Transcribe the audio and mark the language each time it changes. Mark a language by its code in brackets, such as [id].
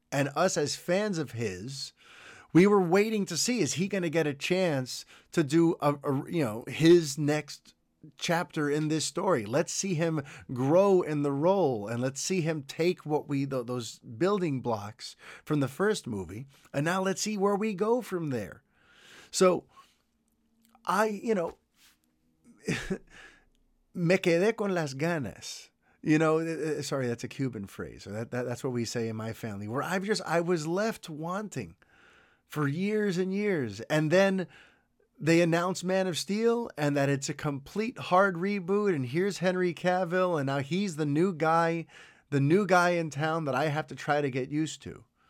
[en] And us as fans of his, we were waiting to see, is he going to get a chance to do, his next chapter in this story? Let's see him grow in the role, and let's see him take what we, those building blocks from the first movie, and now let's see where we go from there. So I, you know, [es] me quedé con las ganas. [en] You know, sorry, that's a Cuban phrase. That's what we say in my family, where I was left wanting for years and years. And then they announce Man of Steel and that it's a complete hard reboot. And here's Henry Cavill. And now he's the new guy in town that I have to try to get used to.